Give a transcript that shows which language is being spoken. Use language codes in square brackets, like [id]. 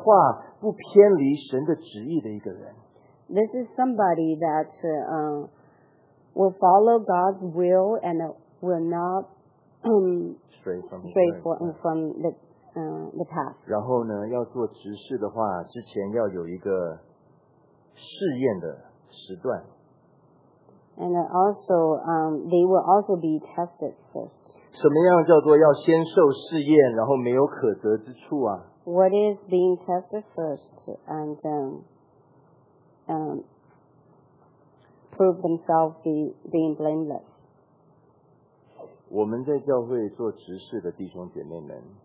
[zh] 这是一个能够坚守神的话，不偏离神的旨意的一个人。 [en] This is somebody that will follow God's will and will not stray from the path. [zh] 然后呢，要做执事的话，之前要有一个试验的时段。 [en] And also, they will also be tested first. [zh] 什么样叫做要先受试验，然后没有可责之处啊？ [en] What is being tested first and prove themselves being blameless? [zh] 我们在教会做执事的弟兄姐妹们，